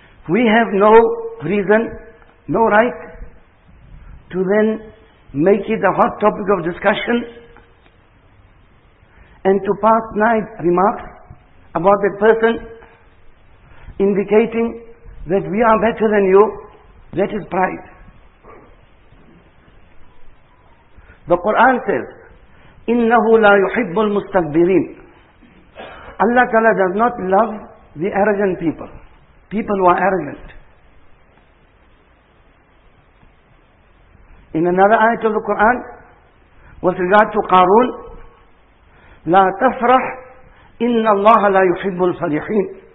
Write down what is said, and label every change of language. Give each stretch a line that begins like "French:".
English: We have no reason, no right, to then make it a hot topic of discussion and to pass night remarks about that person, indicating that we are better than you. That is pride. The Quran says,
Arabic: إِنَّهُ لَا يُحِبُّ الْمُسْتَكْبِرِينَ.
English: Allah Ta'ala does not love the arrogant people, people who are arrogant. In another ayat of the Quran, with regard to Qarun,
Arabic: لَا تَفْرَحْ إِنَّ اللَّهَ لَا يُحِبُّ الْفَرِحِينَ.